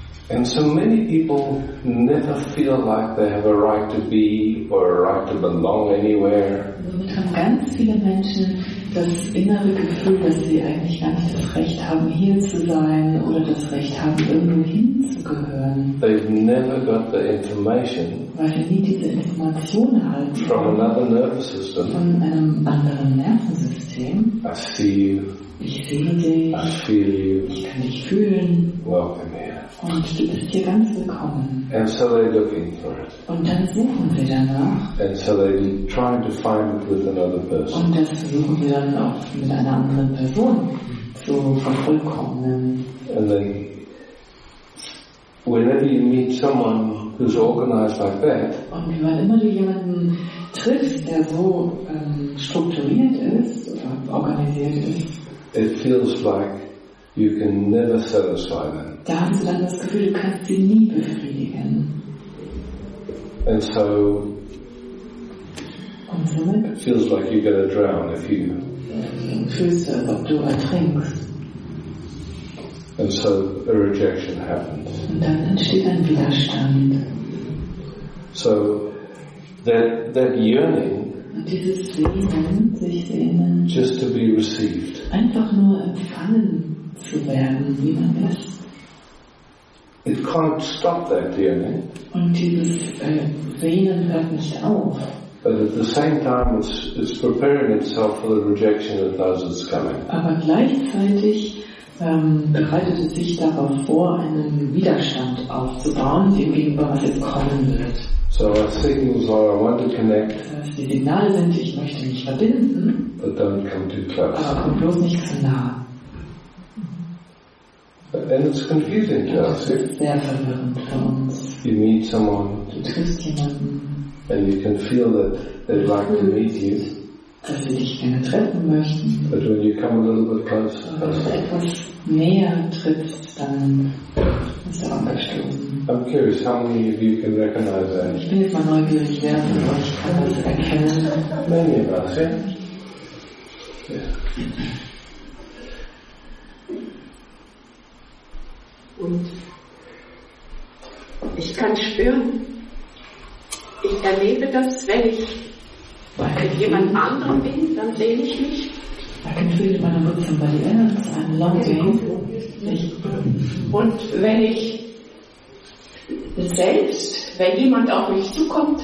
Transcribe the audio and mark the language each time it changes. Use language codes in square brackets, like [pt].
[en] And so many people never feel like they have a right to be or a right to belong anywhere. [de] Somit haben ganz viele Menschen das innere Gefühl, dass sie eigentlich gar nicht das Recht haben, hier zu sein oder das Recht haben, irgendwo hinzugehören. [en] They've never got the information. [de] Weil sie nie diese Information erhalten. [en] From another nervous system. [de] Von einem anderen Nervensystem. [en] I see you. [de] Ich sehe dich. [en] I feel you. [de] Ich kann dich fühlen. [en] Welcome here. [de] Und du bist hier ganz willkommen. [en] And so they're looking for it. [de] Und dann suchen sie danach. [en] And so they're trying to find it with another person. [de] Und das suchen sie dann auch mit einer anderen Person zu vervollkommnen. [en] And then, whenever you meet someone who's organized like that. [de] Und wenn immer du jemanden triffst, der so strukturiert ist oder organisiert ist. [en] It feels like you can never satisfy them. [de] Da hast du dann das Gefühl, du kannst sie nie befriedigen. [en] And so, [de] und somit, [en] it feels like you're gonna drown if you. [de] Fühlst du, als ob du ertrinkst. [en] And so a rejection happens. [de] Und dann entsteht ein Widerstand. [en] So that yearning. [de] Und dieses Sehnen, sich sehnen. [en] Just to be received. [de] Einfach nur empfangen zu werden, wie man ist. [en] It can't stop that yearning. [de] Und dieses Sehnen hört nicht auf. [en] But at the same time, it's preparing itself for the rejection that knows it's coming. [de] Aber gleichzeitig bereitet es sich darauf vor, einen Widerstand aufzubauen, dem gegenüber, was jetzt kommen wird. [en] So our signals are, I want to connect. [de] Die Signale sind, ich möchte mich verbinden. [en] But don't come too close. [de] Aber komm bloß nicht zu nah. [en] And it's confusing to us. [de] Sehr verwirrend für uns. [en] You meet someone. [de] Du triffst jemanden. [en] And you can feel that they'd like to meet you. [de] Dass sie dich gerne treffen möchten. [en] But when you come a little bit closer. [de] Wenn du etwas näher trittst, dann ist er angestoßen. [en] I'm curious how many of you can recognize that. [de] Ich bin jetzt mal neugierig, wer von euch kann das erkennen. [en] Many of us, yeah. [de] Und ich kann spüren, ich erlebe das, wenn ich mit jemand anderem bin, dann sehe ich mich. [en] I can feel it when I'm with somebody else. I'm longing. [de] Und wenn ich selbst, wenn jemand auf mich zukommt,